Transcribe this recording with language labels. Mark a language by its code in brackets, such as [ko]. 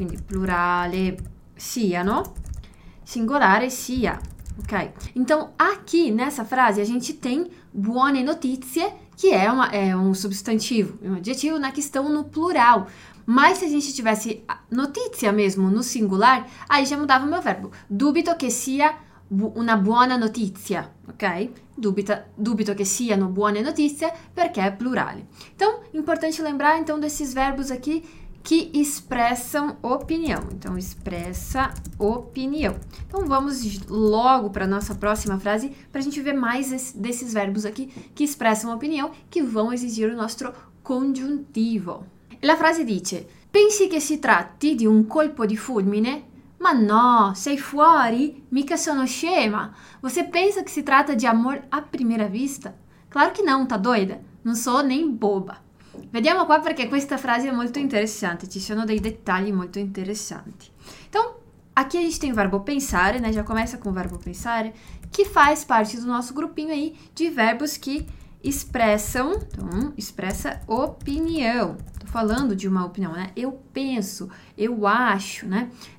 [it] Quindi plurale siano. Singolare sia, ok? [pt] Então, aqui nessa frase a gente tem [it] buone notizie, [pt] que é um substantivo, um adjetivo na questão no plural. Mas se a gente tivesse notizia mesmo no singular, aí já mudava o meu verbo. [it] Dubito che sia bu una buona notizia, ok? Dubito che siano buone notizie perché è plurale. [pt] Então, importante lembrar então desses verbos aqui que expressam opinião. Então, expressa opinião. Então, vamos logo para a nossa próxima frase para a gente ver mais desses verbos aqui que expressam opinião, que vão exigir o nosso congiuntivo. E a frase [it] dice: pensi che si tratti di un colpo di fulmine? Ma no, sei fuori? Mica sono scema. [pt] Você pensa que se trata de amor à primeira vista? Claro que não, tá doida? Não sou nem boba. [it] Vediamo qua perché questa frase è molto interessante, ci sono dei dettagli molto interessanti. [pt] Então, aqui a gente tem o verbo pensare, né? Já começa com o verbo pensare, que faz parte do nosso grupinho aí de verbos que expressam, então, expressa opinião. Tô falando de uma opinião, né? Eu penso, eu acho, né?